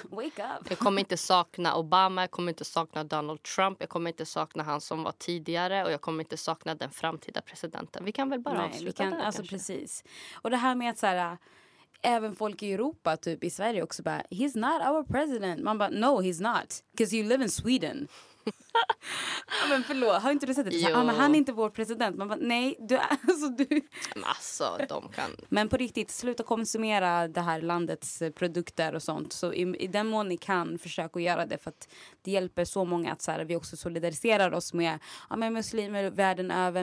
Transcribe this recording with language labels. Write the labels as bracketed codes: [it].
[en] Wake up! [sv] Jag kommer inte sakna Obama, jag kommer inte sakna Donald Trump, jag kommer inte sakna han som var tidigare, och jag kommer inte sakna den framtida presidenten. Vi kan väl bara avsluta där kanske. Alltså precis. Och det här med att så här, även folk i Europa, typ i Sverige också, bara, [en] he's not our president. [sv] Man bara, [en] no he's not, because you live in Sweden. [sv] Ja, men förlåt, har inte du sett det? Ja, men han är inte vår president. Man bara, nej, du är alltså du. Alltså, de kan. Men på riktigt, sluta konsumera det här landets produkter och sånt. Så i den mån ni kan, försöka göra det. För att det hjälper så många att så här, vi också solidariserar oss med, ja, med muslimer världen över.